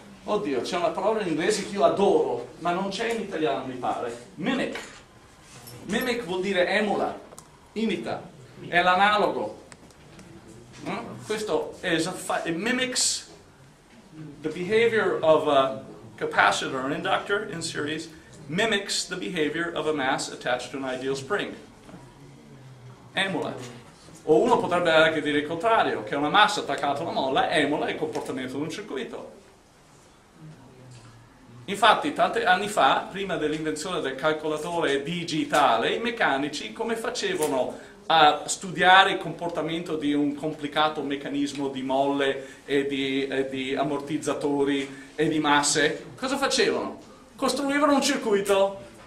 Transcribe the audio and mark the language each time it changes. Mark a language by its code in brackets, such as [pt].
[it] Oddio, c'è una parola in inglese che io adoro, ma non c'è in italiano mi pare, mimic. Mimic vuol dire emula, imita, è l'analogo. Questo è [en] it mimics the behavior of a capacitor, an inductor in series, mimics the behavior of a mass attached to an ideal spring. [it] Emula. O uno potrebbe anche dire il contrario, che una massa attaccata alla molla emula il comportamento di un circuito. Infatti, tanti anni fa, prima dell'invenzione del calcolatore digitale, i meccanici come facevano a studiare il comportamento di un complicato meccanismo di molle e di ammortizzatori e di masse, cosa facevano? Costruivano un circuito